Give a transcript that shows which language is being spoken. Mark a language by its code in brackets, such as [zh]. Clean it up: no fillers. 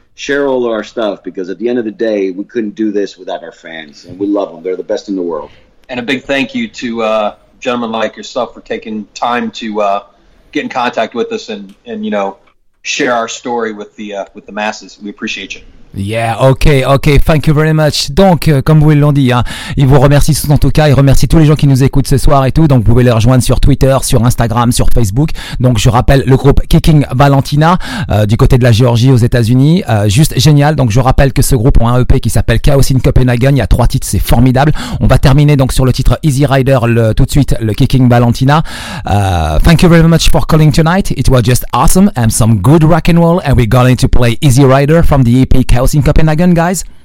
[en] Share all of our stuff, because at the end of the day, we couldn't do this without our fans. And we love them. They're the best in the world. And a big thank you to gentlemen like yourself for taking time to get in contact with us and you know, share our story with the masses. We appreciate you. Yeah, okay, okay, thank you very much. [fr] Donc, comme vous l'ont dit, hein, ils vous remercient tous en tout cas, ils remercient tous les gens qui nous écoutent ce soir et tout, donc vous pouvez les rejoindre sur Twitter, sur Instagram, sur Facebook. Donc, je rappelle le groupe Kickin' Valentina du côté de la Géorgie aux États-Unis, juste génial. Donc, je rappelle que ce groupe a un EP qui s'appelle Chaos in Copenhagen, il y a 3 titres, c'est formidable. On va terminer donc sur le titre Easy Rider, tout de suite, le Kickin' Valentina. [en] Thank you very much for calling tonight, it was just awesome and some good rock and roll, and we're going to play Easy Rider from the EP Chaos in Copenhagen, guys?